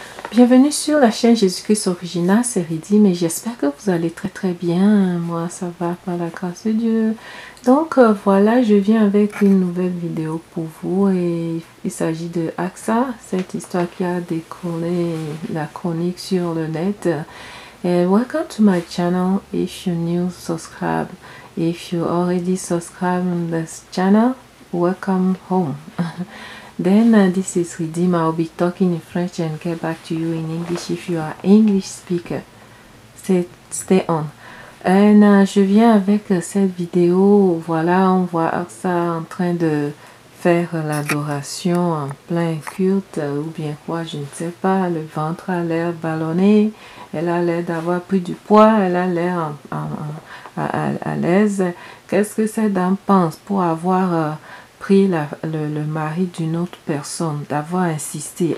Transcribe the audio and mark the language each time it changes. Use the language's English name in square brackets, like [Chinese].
[French] Bienvenue sur la chaîne Jésus-Christ Original, c'est Ridi, mais j'espère que vous allez très très bien. Moi, ça va par la grâce de Dieu. Donc voilà, je viens avec une nouvelle vidéo pour vous et il s'agit de AXA, cette histoire qui a décollé la chronique sur le net. [English] And welcome to my channel. If you're new, subscribe. If you already subscribe on this channel, welcome home. Then this is Redeem. I'll be talking in French and get back to you in English if you are English speaker. Stay on. And [French] je viens avec cette vidéo. Voilà, on voit Axa en train de faire l'adoration en plein culte ou bien quoi, je ne sais pas. Le ventre a l'air ballonné. Elle a l'air d'avoir pris du poids. Elle a l'air à l'aise. Qu'est-ce que cette dame pense pour avoir pris le mari d'une autre personne, d'avoir insisté?